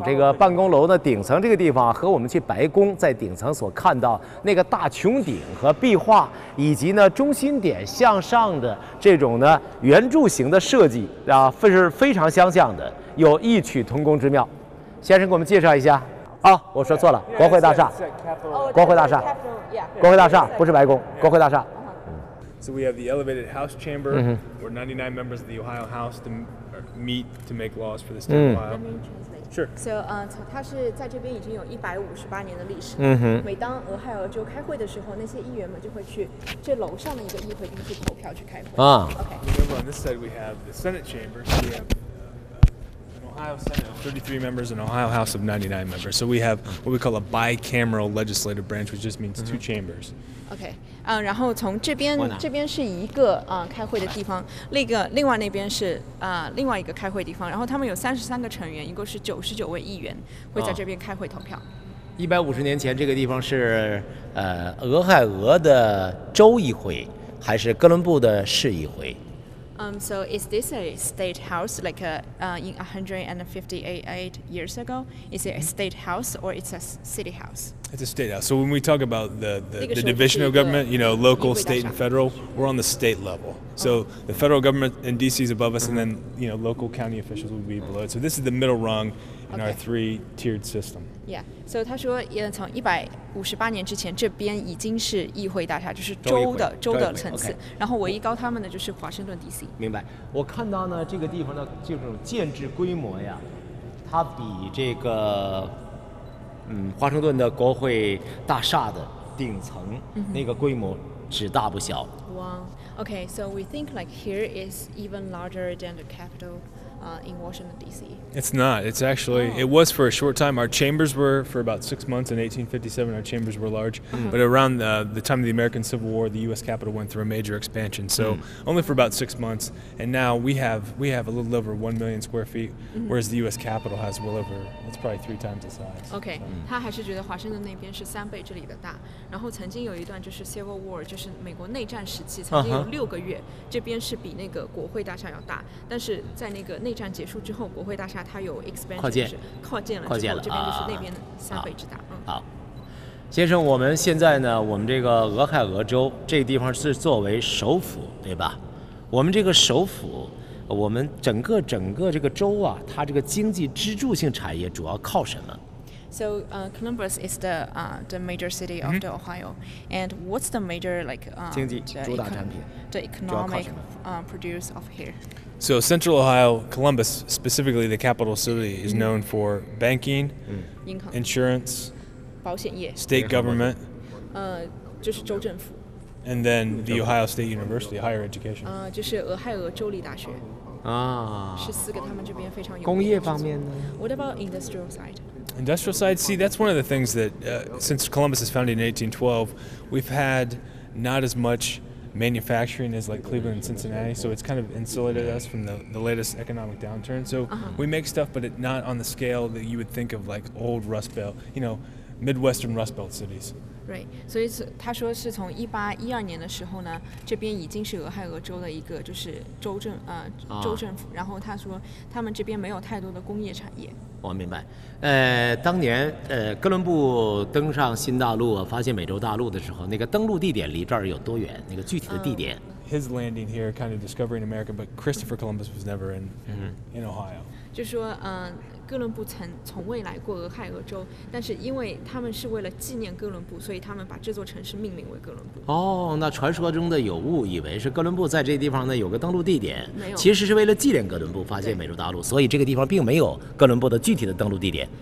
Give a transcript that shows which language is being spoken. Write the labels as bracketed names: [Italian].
[Chinese] 这个办公楼的顶层这个地方和我们去白宫在顶层所看到那个大穹顶和壁画，以及呢中心点向上的这种呢圆柱形的设计啊，是非常相像的，有异曲同工之妙。先生给我们介绍一下。啊，我说错了，国会大厦，国会大厦，国会大厦不是白宫，国会大厦。 [English] So we have the elevated House chamber,、mm-hmm. where 99 members of the Ohio House meet to make laws for the state、mm-hmm. of Ohio. Sure. [Chinese] So, 它是在这边已经有158年的历史。嗯哼。每当俄亥俄州开会的时候，那些议员们就会去这楼上的一个议会厅去投票去开会。啊。 [English] Okay. Remember, on this side we have the Senate chamber. So we have an Ohio Senate of 33 members and Ohio House of 99 members. So we have what we call a bicameral legislative branch, which just means、mm-hmm. two chambers. [Chinese] Okay, 然后从这边是一个开会的地方，另外那边是另外一个开会地方，然后他们有33个成员，一共是99位议员会在这边开会投票。 150年前这个地方是俄亥俄的州议会还是哥伦布的市议会？ [English] So is this a state house like in 158 years ago? Is it a state house or it's a city house? It's a state house. So when we talk about the division of government, you know, local, state, and federal, we're on the state level. So the federal government in D.C. is above us, and then, you know, local county officials will be below it. So this is the middle rung in our three-tiered system. Yeah. [Chinese] So 他说，从158年之前，这边已经是议会大厦，就是州的层次。然后唯一高他们的就是华盛顿 D.C. 明白。我看到呢，这个地方的这种建制规模呀，它比这个华盛顿的国会大厦的顶层那个规模只大不小。 [English] Wow. Okay. So we think like here is even larger than the Capitol. In Washington D.C. It's not. It's actually. Oh. It was for a short time. Our chambers were for about 6 months in 1857. Our chambers were large, but around the time of the American Civil War, the U.S. Capitol went through a major expansion. So only for about 6 months, and now we have a little over 1 million square feet, whereas the U.S. Capitol has well over. It's probably three times the size. [Chinese] Okay, 他还是觉得华盛顿那边是三倍这里的大。然后曾经有一段就是 Civil War, 就是美国内战时期，曾经有六个月，这边是比那个国会大厦要大，但是在那个内战结束之后，国会大厦它有 expansion, 靠近了之后，这边就是那边三倍之大。好，先生，我们现在呢，我们这个俄亥俄州这个地方是作为首府，对吧？我们这个首府，我们整个这个州啊，它这个经济支柱性产业主要靠什么 [English] ？So, Columbus is the major city of the Ohio, and what's the major like? [Chinese] 经济主打产品。 [English] The economic produce of here. So Central Ohio, Columbus, specifically the capital city, is known for banking, insurance, [Chinese] 保险业, [English] state government, [Chinese] 就是州政府, [English] and then the Ohio State University, higher education. [Chinese] 就是俄亥俄州立大学。啊，是四个他们这边非常有工业方面的。 [English] What about industrial side? Industrial side, see, that's one of the things that, since Columbus was founded in 1812, we've had not as much... manufacturing is like Cleveland and Cincinnati, so it's kind of insulated us from the latest economic downturn. So we make stuff, but it's not on the scale that you would think of like old Rust Belt, you know, Midwestern Rust Belt cities. [Chinese] Right. 所以他说是从1812年的时候呢，这边已经是俄亥俄州的一个就是州政府。然后他说他们这边没有太多的工业产业。我明白。当年哥伦布登上新大陆，发现美洲大陆的时候，那个登陆地点离这儿有多远？那个具体的地点。 [English] His landing here, kind of discovering America, but Christopher Columbus was never in Ohio. [Chinese] 就说哥伦布从未来过俄亥俄州，但是因为他们是为了纪念哥伦布，所以他们把这座城市命名为哥伦布。哦，那传说中的有误，以为是哥伦布在这地方呢有个登陆地点，没有，其实是为了纪念哥伦布发现美洲大陆，所以这个地方并没有哥伦布的具体的登陆地点。